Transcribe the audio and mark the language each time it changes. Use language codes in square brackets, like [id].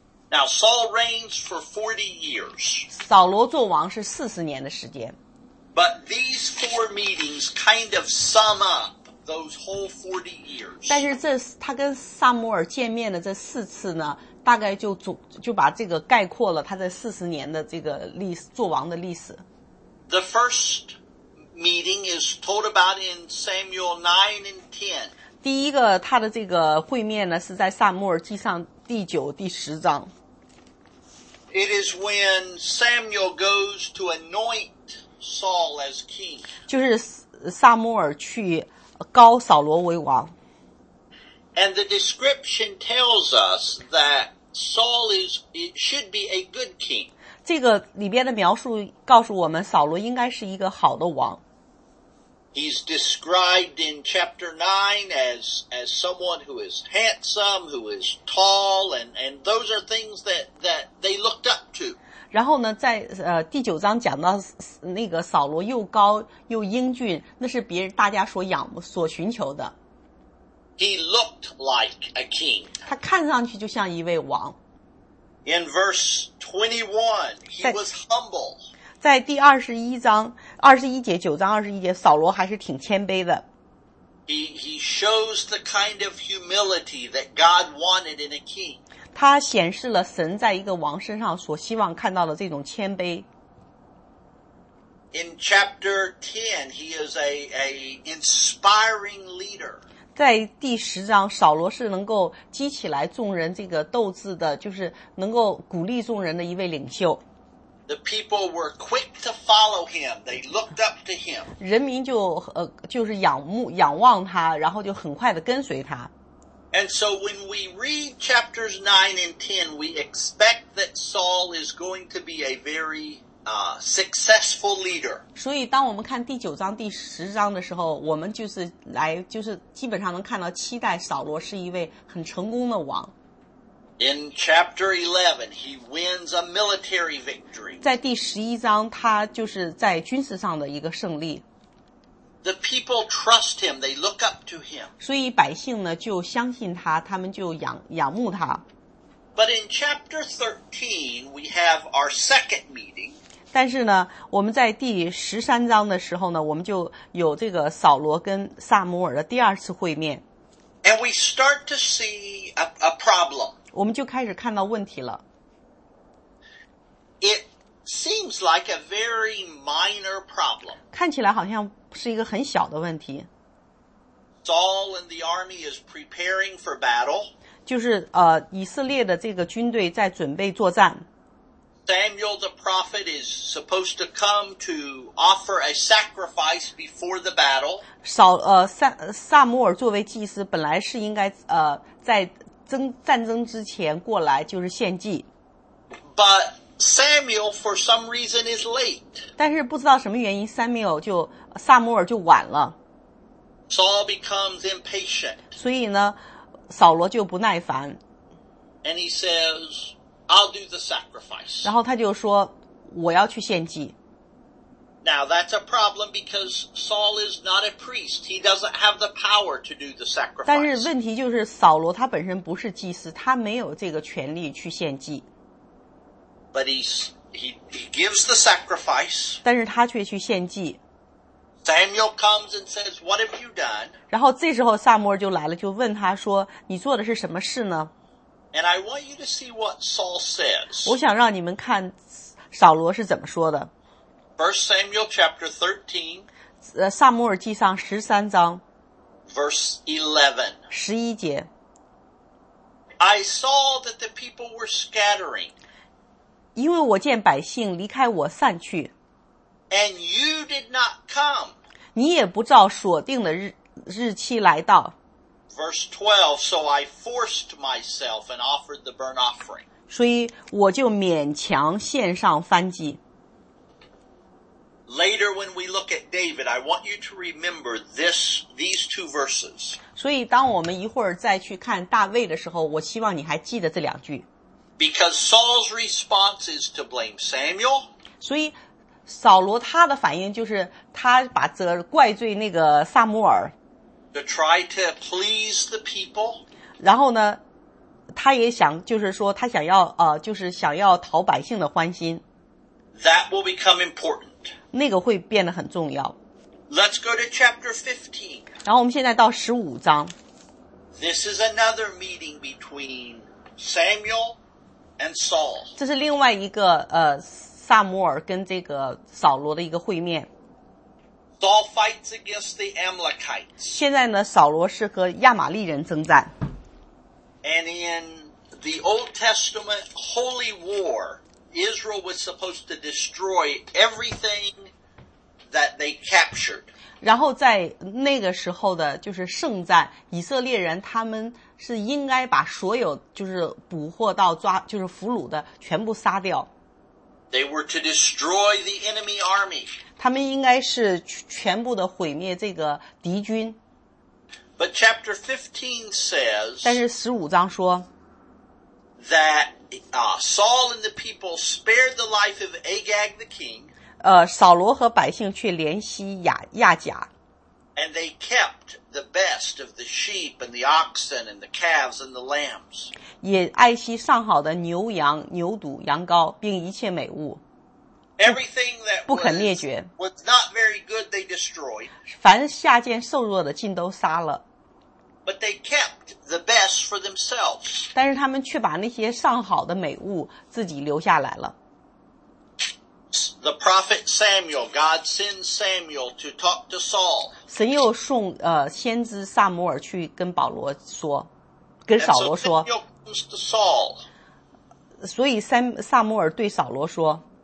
[en] Now Saul reigns for 40 years. [zh] 扫罗做王是40年的时间。 [en] But these four meetings kind of sum up those whole 40 years. [zh] 但是这他跟萨穆尔见面的这四次呢，大概就把这个概括了他在40年的这个历史做王的历史。 [en] The first meeting is told about in Samuel 9 and 10. [zh] 第一个他的这个会面呢是在萨穆尔记上第九、第十章。 [en] It is when Samuel goes to anoint Saul as king. [zh] 就是萨穆尔去高扫罗为王。 [en] And the description tells us that Saul is, it should be a good king. [zh] 这个里边的描述告诉我们扫罗应该是一个好的王。 [en] He's described in chapter 9 as someone who is handsome, who is tall, and those are things that they looked up to. [zh] 然后呢在第九章讲到那个扫罗又高又英俊，那是别人大家所寻求的。 [en] He looked like a king. [zh] 他看上去就像一位王。 [en] In verse 21, he was humble. [zh] 在第21节，9章21节，扫罗还是挺谦卑的。 [en] He shows the kind of humility that God wanted in a king. [zh] 他显示了神在一个王身上所希望看到的这种谦卑。 [en] In chapter 10, he is a inspiring leader. [zh] 在第十章，扫罗是能够激起来众人这个斗志的，就是能够鼓励众人的一位领袖。 [en] The people were quick to follow him. They looked up to him. [zh] 人民就是仰望他，然后就很快的跟随他。 [en] And so when we read chapters 9 and 10, we expect that Saul is going to be a very successful leader. [zh] 所以当我们看第九章第十章的时候，我们就是基本上能看到期待扫罗是一位很成功的王。 [en] In chapter 11, he wins a military victory. [zh] 在第十一章，他就是在军事上的一个胜利。 [en] The people trust him; they look up to him. [zh] 所以百姓呢就相信他，他们就仰慕他。 [en] But in chapter 13, we have our second meeting. [zh] 但是呢，我们在第十三章的时候呢，我们就有这个扫罗跟萨摩尔的第二次会面。 [en] And we start to see a problem. [zh] 我们就开始看到问题了。 [en] It seems like a very minor problem. [zh] 看起来好像是一个很小的问题。 [en] Saul and the army is preparing for battle. [zh] 就是以色列的这个军队在准备作战。 [en] Samuel the prophet is supposed to come to offer a sacrifice before the battle. [zh] 萨摩尔作为祭司本来是应该在战争之前过来就是献祭。 [en] But Samuel for some reason is late. [zh] 但是不知道什么原因萨摩尔就晚了。 [en] Saul becomes impatient. [zh] 所以呢扫罗就不耐烦。 [en] And he says, I'll do the sacrifice. [zh] 然后他就说我要去献祭。 [en] Now that's a problem because Saul is not a priest. He doesn't have the power to do the sacrifice. [zh] 但是问题就是扫罗他本身不是祭司，他没有这个权利去献祭。 [en] But he gives the sacrifice. [zh] 但是他却去献祭。 [en] Samuel comes and says, "What have you done?" [zh] 然后这时候萨摩尔就来了，就问他说：“你做的是什么事呢？” [en] And I want you to see what Saul says. [zh] 我想让你们看扫罗是怎么说的。 [en] First Samuel chapter 13, [zh] 撒母耳记上十三章 [en] verse 11, [zh] 十一节 [en] I saw that the people were scattering, [zh] 因为我见百姓离开我散去 [en] and you did not come, [zh] 你也不照锁定的日期来到 [en] verse 12, so I forced myself and offered the burnt offering, [zh] 所以我就勉强献上燔祭。 [en] Later, when we look at David, I want you to remember these two verses. [zh] 所以当我们一会儿再去看大卫的时候，我希望你还记得这两句。 [en] Because Saul's response is to blame Samuel. [zh] 所以扫罗他的反应就是他把责怪罪那个萨摩尔。 [en] to try to please the people. [zh] 然后呢，他也想，就是说他想要，就是想要讨百姓的欢心。 [en] That will become important. [zh] 那个会变得很重要。 [en] Let's go to chapter 15. [zh] 然后我们现在到15章。 [en] This is another meeting between Samuel and Saul. [zh] 这是另外一个，萨摩尔跟这个扫罗的一个会面。 [en] Saul fights against the Amalekites. [zh] 现在呢，扫罗是和亚玛力人征战。 [en] And in the Old Testament holy war, Israel was supposed to destroy everything that they captured. [zh] 然后在那个时候的就是圣战，以色列人他们是应该把所有就是捕获到抓就是俘虏的全部杀掉。 [en] They were to destroy the enemy army. [zh] 他们应该是全部的毁灭这个敌军。 [en] But chapter 15 says, [zh] 但是15章说 [en] that, Saul and the people spared the life of Agag the king, [zh] 扫罗和百姓却怜惜亚甲。 [en] And they kept the best of the sheep and the oxen and the calves and the lambs. [zh] 也爱惜上好的牛羊、牛犊、羊羔，并一切美物。 [en] Everything that [zh] 不肯灭绝 [en] was not very good, they destroyed. [zh] 凡下贱瘦弱的尽都杀了。 [en] But they kept the best for themselves. [zh] 但是他们却把那些上好的美物自己留下来了。 [en] The prophet Samuel, God sends Samuel to talk to Saul. [zh] 神又送先知撒母耳去跟保罗说，跟扫罗说。 [en] And so Samuel comes to Saul. [zh] 所以撒母耳对扫罗说。